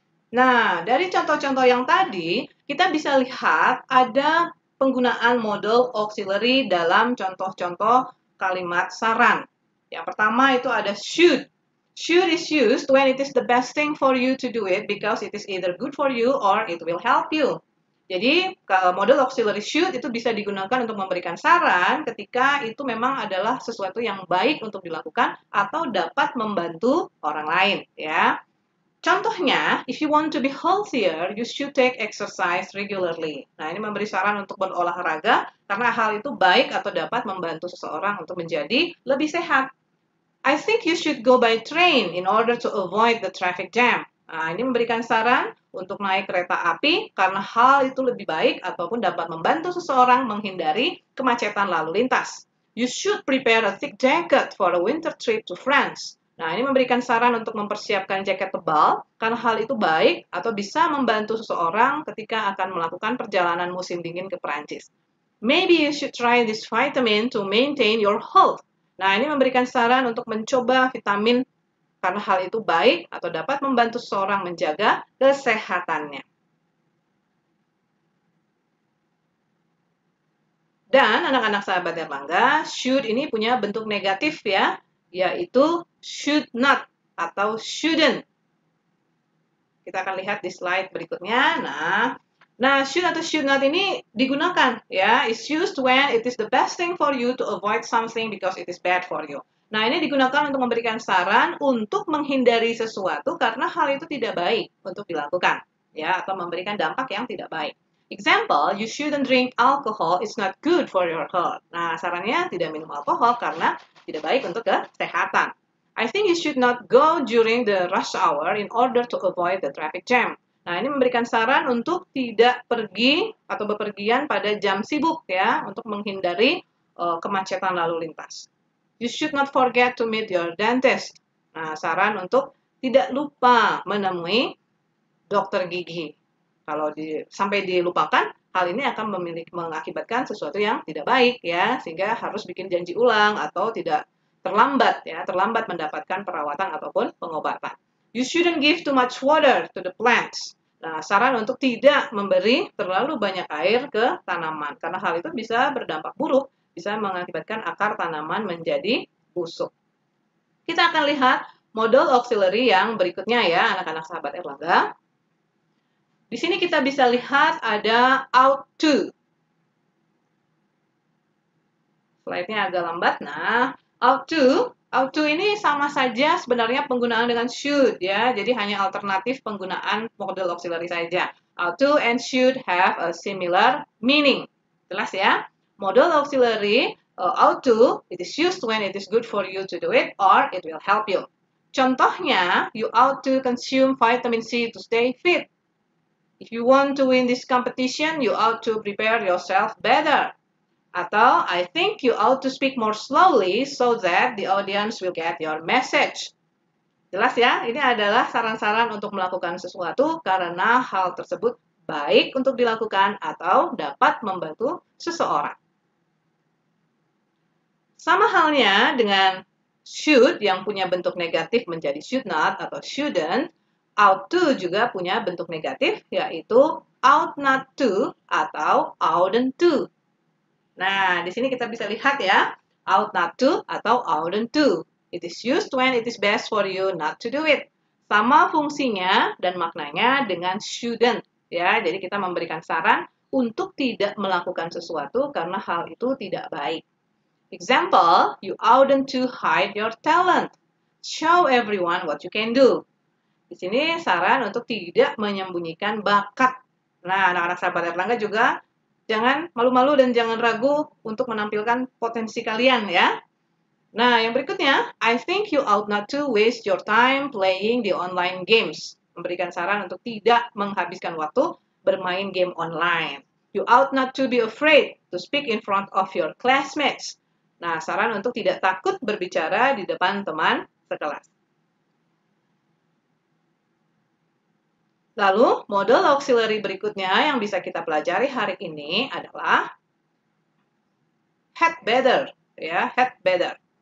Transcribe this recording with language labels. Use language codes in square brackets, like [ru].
[id] Nah, dari contoh-contoh yang tadi, kita bisa lihat ada penggunaan modal auxiliary dalam contoh-contoh kalimat saran. Yang pertama itu ada should. [en] Should is used when it is the best thing for you to do it because it is either good for you or it will help you. [id] Jadi, modal auxiliary should itu bisa digunakan untuk memberikan saran ketika itu memang adalah sesuatu yang baik untuk dilakukan atau dapat membantu orang lain, ya. Contohnya, [en] if you want to be healthier, you should take exercise regularly. [id] Nah, ini memberi saran untuk berolahraga karena hal itu baik atau dapat membantu seseorang untuk menjadi lebih sehat. [en] I think you should go by train in order to avoid the traffic jam. [id] Nah, ini memberikan saran untuk naik kereta api karena hal itu lebih baik ataupun dapat membantu seseorang menghindari kemacetan lalu lintas. [en] You should prepare a thick jacket for a winter trip to France. [id] Nah, ini memberikan saran untuk mempersiapkan jaket tebal karena hal itu baik atau bisa membantu seseorang ketika akan melakukan perjalanan musim dingin ke Perancis. [en] Maybe you should try this vitamin to maintain your health. [id] Nah, ini memberikan saran untuk mencoba vitamin karena hal itu baik atau dapat membantu seseorang menjaga kesehatannya. Dan anak-anak sahabat Erlangga, should ini punya bentuk negatif ya, yaitu should not atau shouldn't. Kita akan lihat di slide berikutnya. Nah, should atau should not ini digunakan ya. [en] It's used when it is the best thing for you to avoid something because it is bad for you. [id] Nah, ini digunakan untuk memberikan saran untuk menghindari sesuatu karena hal itu tidak baik untuk dilakukan ya, atau memberikan dampak yang tidak baik. [en] Example, you shouldn't drink alcohol, it's not good for your health. [id] Nah, sarannya tidak minum alkohol karena tidak baik untuk kesehatan. [en] I think you should not go during the rush hour in order to avoid the traffic jam. [id] Nah, ini memberikan saran untuk tidak pergi atau bepergian pada jam sibuk ya, untuk menghindari kemacetan lalu lintas. [en] You should not forget to meet your dentist. [id] Nah, saran untuk tidak lupa menemui dokter gigi. Kalau sampai dilupakan, hal ini akan mengakibatkan sesuatu yang tidak baik ya, sehingga harus bikin janji ulang atau tidak terlambat ya, terlambat mendapatkan perawatan ataupun pengobatan. [en] You shouldn't give too much water to the plants. [id] Nah, saran untuk tidak memberi terlalu banyak air ke tanaman karena hal itu bisa berdampak buruk, bisa mengakibatkan akar tanaman menjadi busuk. Kita akan lihat modal auxiliary yang berikutnya ya, anak-anak sahabat Erlangga. Di sini kita bisa lihat ada out to. Slide-nya agak lambat. Nah, out to ini sama saja sebenarnya penggunaan dengan should ya. Jadi hanya alternatif penggunaan modal auxiliary saja. [en] Out to and should have a similar meaning. [id] Jelas ya? [en] Modal auxiliary out to, it is used when it is good for you to do it or it will help you. [id] Contohnya, [en] you ought to consume vitamin C to stay fit. If you want to win this competition, you ought to prepare yourself better. [id] Atau, [en] I think you ought to speak more slowly so that the audience will get your message. [id] Jelas ya, ini adalah saran-saran untuk melakukan sesuatu karena hal tersebut baik untuk dilakukan atau dapat membantu seseorang. Sama halnya dengan should yang punya bentuk negatif menjadi should not atau shouldn't, ought to juga punya bentuk negatif, yaitu ought not to atau oughtn't to. Nah, di sini kita bisa lihat ya, ought not to atau oughtn't to. [en] It is used when it is best for you not to do it. [id] Sama fungsinya dan maknanya dengan shouldn't. Ya, jadi kita memberikan saran untuk tidak melakukan sesuatu karena hal itu tidak baik. [en] Example, you oughtn't to hide your talent. Show everyone what you can do. [id] Di sini saran untuk tidak menyembunyikan bakat. Nah, anak-anak sahabat Erlangga juga jangan malu-malu dan jangan ragu untuk menampilkan potensi kalian ya. Nah, yang berikutnya, [en] I think you ought not to waste your time playing the online games. [id] Memberikan saran untuk tidak menghabiskan waktu bermain game online. [en] You ought not to be afraid to speak in front of your classmates. [id] Nah, saran untuk tidak takut berbicara di depan teman sekelas. Lalu, modal auxiliary berikutnya yang bisa kita pelajari hari ini adalah had better, ya, had better.